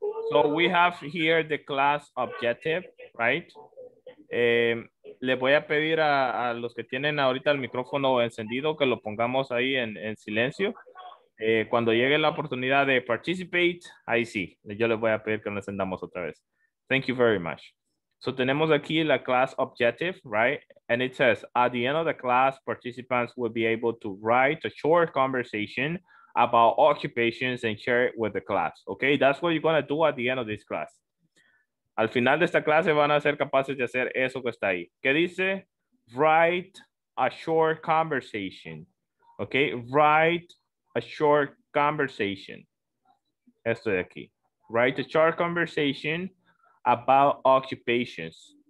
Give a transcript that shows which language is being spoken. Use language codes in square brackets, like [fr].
[en] So we have here the class objective, right? [es] Le voy a pedir a los que tienen ahorita el micrófono encendido que lo pongamos ahí en silencio. Cuando llegue la oportunidad de [en] participate, [es] ahí sí. Yo les voy a pedir que lo encendamos otra vez. [en] Thank you very much. [es] So tenemos aquí la [en] class objective, right? And it says, at the end of the class, participants will be able to write a short conversation about occupations and share it with the class. Okay, that's what you're going to do at the end of this class. [es] Al final de esta clase van a ser capaces de hacer eso que está ahí. ¿Qué dice? [en] Write a short conversation. Okay, write a short conversation. [es] Esto de aquí. [en] Write a short conversation about occupations.